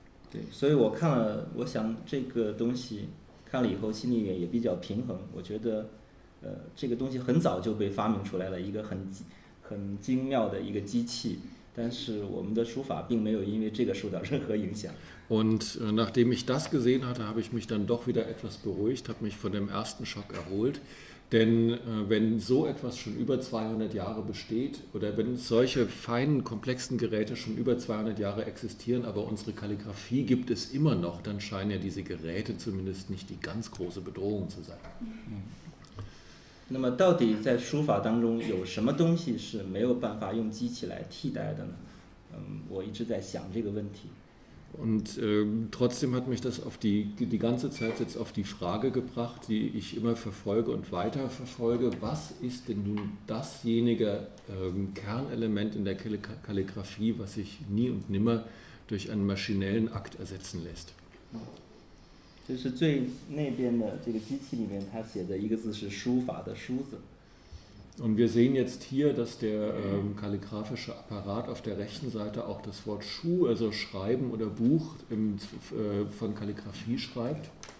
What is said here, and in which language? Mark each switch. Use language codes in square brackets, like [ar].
[zh] 对，所以我看了，我想这个东西看了以后，心里也比较平衡。我觉得，这个东西很早就被发明出来了，一个很精妙的一个机器。但是我们的书法并没有因为这个受到任何影响。 [de] Und nachdem ich das gesehen hatte, habe ich mich dann doch wieder etwas beruhigt, habe mich von dem ersten Schock erholt. Denn wenn so etwas schon über 200 Jahre besteht oder wenn solche feinen, komplexen Geräte schon über 200 Jahre existieren, aber unsere Kalligraphie gibt es immer noch, dann scheinen ja diese Geräte zumindest nicht die ganz große Bedrohung zu sein. [zh] 那么到底在书法当中有什么东西是没有办法用机器来替代的呢？我一直在想这个问题。 [de] Und trotzdem hat mich das auf die ganze Zeit jetzt auf die Frage gebracht, die ich immer verfolge und weiter verfolge, was ist denn nun dasjenige Kernelement in der Kalligraphie, was sich nie und nimmer durch einen maschinellen Akt ersetzen lässt. Das ist die [zh] 内边的这个机器里面它写的一个字是书法的书字。 [de] Und wir sehen jetzt hier, dass der kalligraphische Apparat auf der rechten Seite auch das Wort Schuh, also Schreiben oder Buch von Kalligraphie schreibt.